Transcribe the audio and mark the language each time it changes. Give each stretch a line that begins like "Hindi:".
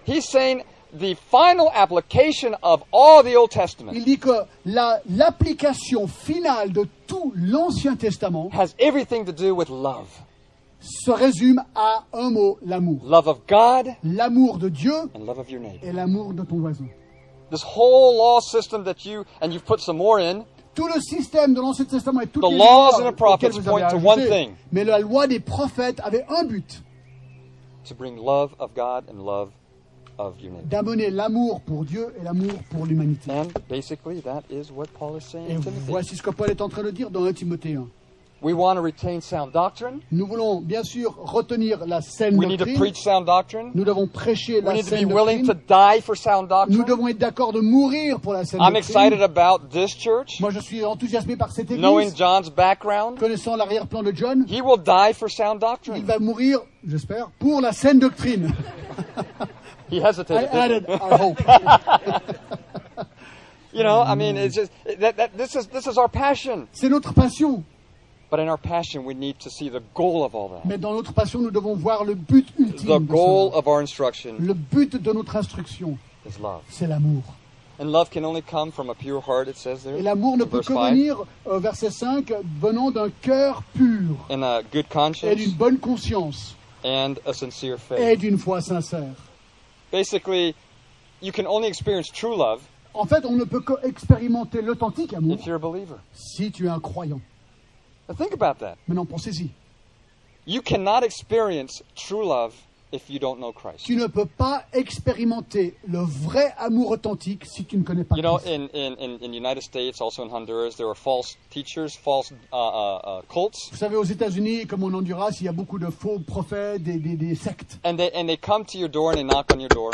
English: He's saying the final application of all the Old Testament.
French: Il dit que l'application finale de tout l'Ancien Testament
English: has everything to do with love.
French: Se résume à un mot, l'amour.
English: Love of God.
French: L'amour de Dieu.
English: And love of your neighbor.
French: Et l'amour de ton voisin.
English: This whole law system that you and you've put some more in.
French: Tout le système de l'Ancien Testament et toutes
English: the
French: les
English: laws and the prophets point to one thing.
French: Mais la loi des prophètes avait un but.
English: To bring love of God and love of your neighbor.
French: D'amener l'amour pour Dieu et l'amour pour l'humanité.
English: And basically, that is what Paul is saying.
French: Et voici ce que Paul est en train de dire dans 1 Timothée 1.
English: We want to retain sound doctrine.
French: Nous voulons bien sûr retenir la saine
English: doctrine. We need to preach sound doctrine.
French: Nous devons prêcher la saine doctrine.
English: We need to be willing to die for sound doctrine.
French: Nous devons être d'accord de mourir pour la saine
English: doctrine. I'm excited about this church.
French: Moi, je suis enthousiasmé par cette église.
English: Knowing John's background,
French: connaissant l'arrière-plan de John,
English: he will die for sound doctrine.
French: Il va mourir, j'espère, pour la saine doctrine.
English: He hesitated. I added, I hope. You know, I mean, it's just that this is our passion.
French: C'est notre passion.
English: But in our passion, we need to see the goal of all that.
French: Mais dans notre passion, nous devons voir le but ultime.
English: The goal of our instruction.
French: Le but de notre instruction.
English: Is love.
French: C'est l'amour.
English: And love can only come from a pure heart, it says there.
French: Et l'amour ne peut que venir, verset 5, venant d'un cœur pur.
English: And a good conscience.
French: Et d'une bonne conscience.
English: And a sincere faith.
French: Et d'une foi sincère.
English: Basically, you can only experience true love.
French: En fait, on ne peut que expérimenter l'authentique amour.
English: If you're a believer.
French: Si tu es un croyant.
English: Think about that.
French: Maintenant, pensez-y.
English: You cannot experience true love if you don't know Christ.
French: Tu ne peux pas expérimenter le vrai amour authentique si tu ne connais pas Christ.
English: You know, in the United States, also in Honduras, there are false teachers, false cults.
French: Vous savez, aux États-Unis, comme en Honduras, il y a beaucoup de faux prophètes, des sectes.
English: And they come to your door and they knock on your door.